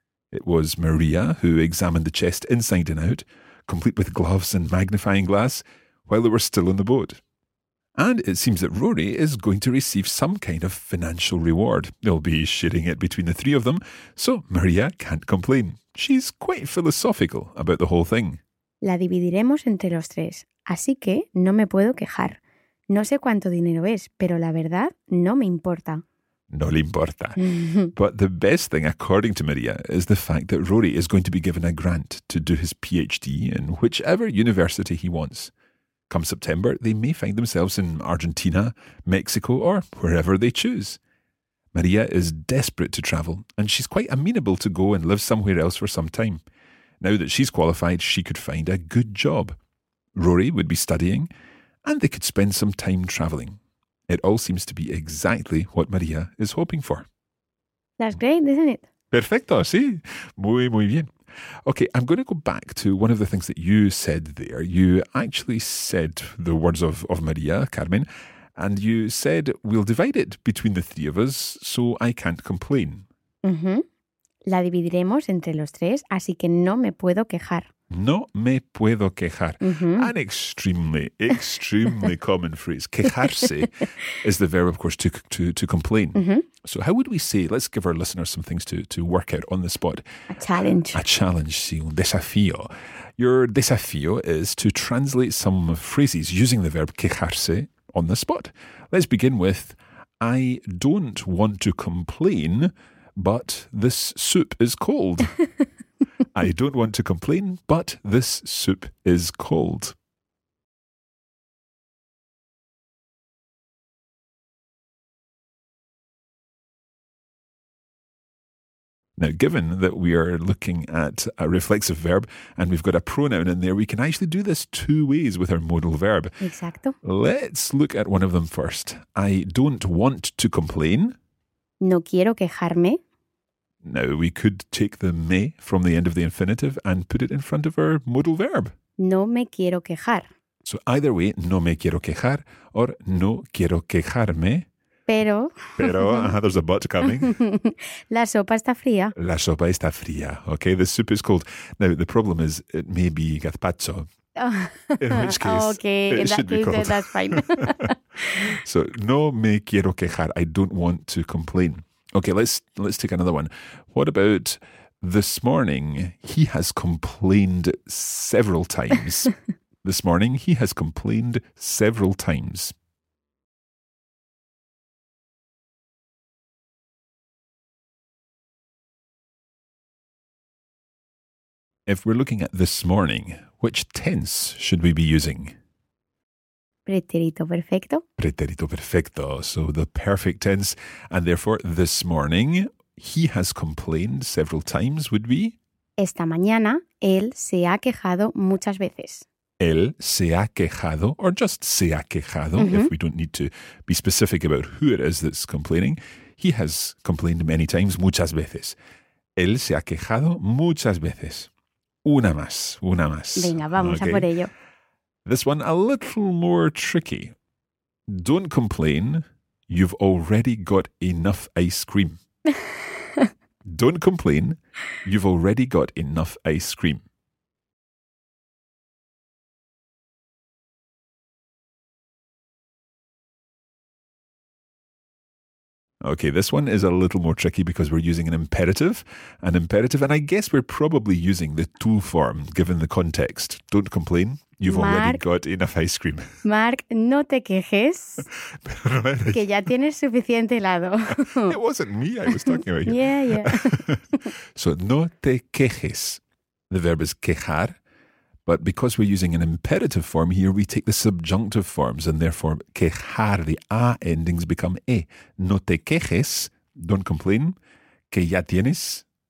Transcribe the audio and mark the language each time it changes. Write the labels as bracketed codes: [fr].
[en] It was Maria who examined the chest inside and out, complete with gloves and magnifying glass, while they were still in the boat. And it seems that Rory is going to receive some kind of financial reward. They'll be sharing it between the three of them, so Maria can't complain. She's quite philosophical about the whole thing. [es] La dividiremos entre los tres, así que no me puedo quejar. No sé cuánto dinero es, pero la verdad no me importa. No le importa. [en] But the best thing, according to Maria, is the fact that Rory is going to be given a grant to do his PhD in whichever university he wants. Come September, they may find themselves in Argentina, Mexico, or wherever they choose. Maria is desperate to travel, and she's quite amenable to go and live somewhere else for some time. Now that she's qualified, she could find a good job. Rory would be studying, and they could spend some time travelling. It all seems to be exactly what Maria is hoping for. That's great, isn't it? [es] Perfecto, sí. Muy, muy bien. [en] Okay, I'm going to go back to one of the things that you said there. You actually said the words of Maria, Carmen, and you said, we'll divide it between the three of us, so I can't complain. Mm-hmm. [es] La dividiremos entre los tres, así que no me puedo quejar. No me puedo quejar. Mm-hmm. [en] An extremely, extremely common phrase. Quejarse is the verb, of course, to complain. Mm-hmm. So how would we say, let's give our listeners some things to work out on the spot. A challenge. A challenge, [es] sí, un desafío. [en] Your desafío is to translate some phrases using the verb quejarse on the spot. Let's begin with, I don't want to complain, but this soup is cold. I don't want to complain, but this soup is cold. Now, given that we are looking at a reflexive verb and we've got a pronoun in there, we can actually do this two ways with our modal verb. Exacto. Let's look at one of them first. I don't want to complain. [es] No quiero quejarme. [en] Now, we could take the me from the end of the infinitive and put it in front of our modal verb. [es] No me quiero quejar. [en] So either way, [es] no me quiero quejar or no quiero quejarme. Pero. [en] Pero, there's a but coming. [es] La sopa está fría. La sopa está fría. [en] Okay, the soup is cold. Now, the problem is it may be gazpacho. In which case, okay, it in should that be case, cold. That's fine. So, [es] no me quiero quejar. [en] I don't want to complain. Okay, let's take another one. What about this morning? He has complained several times. This morning, he has complained several times. If we're looking at this morning, which tense should we be using? [es] Pretérito perfecto. Pretérito perfecto. [en] So the perfect tense. And therefore, this morning, he has complained several times would be? [es] Esta mañana, él se ha quejado muchas veces. Él se ha quejado, [en] or just [es] se ha quejado, mm-hmm. [en] If we don't need to be specific about who it is that's complaining. He has complained many times, [es] muchas veces. Él se ha quejado muchas veces. Una más, una más. Venga, vamos okay. A por ello. [en] This one a little more tricky. Don't complain, you've already got enough ice cream. Don't complain, you've already got enough ice cream. Okay, this one is a little more tricky because we're using an imperative, and I guess we're probably using the to form given the context. Don't complain, you've Mark, already got enough ice cream. [es] Mark, no te quejes, que ya tienes suficiente helado. [en] It wasn't me I was talking about. Yeah. [es] So, no te quejes. [en] The verb is quejar, but because we're using an imperative form here, we take the subjunctive forms, and therefore quejar, the A endings become E. [es] No te quejes, [en] don't complain, [es] que ya tienes...